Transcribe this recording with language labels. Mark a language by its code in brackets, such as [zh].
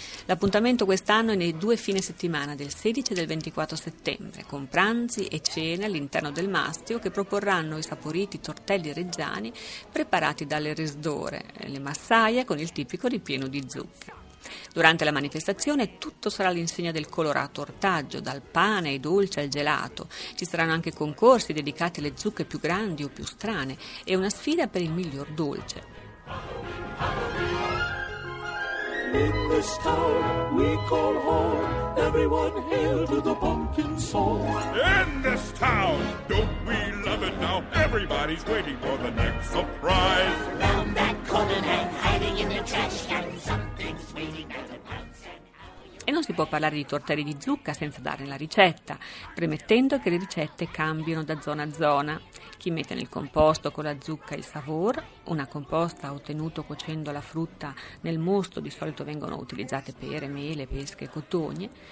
[it] L'appuntamento quest'anno è nei due fine settimana del 16 e del 24 settembre, con pranzi e cene all'interno del mastio che proporranno i saporiti tortelli reggiani preparati dalle resdore, le massaie con il tipico ripieno di zucca. Durante la manifestazione tutto sarà all'insegna del colorato ortaggio, dal pane ai dolci al gelato. Ci saranno anche concorsi dedicati alle zucche più grandi o più strane e una sfida per il miglior dolce. [en] In this town we call home, everyone hail to the pumpkin song. In this town, don't we love it now, everybody's waiting for the next surprise. Round that corner and hiding in the trash can, something's waiting at the pounce. [it] E non si può parlare di tortelli di zucca senza darne la ricetta, premettendo che le ricette cambiano da zona a zona. Chi mette nel composto con la zucca il savour, una composta ottenuto cuocendo la frutta nel mosto, di solito vengono utilizzate pere, mele, pesche, cotogne.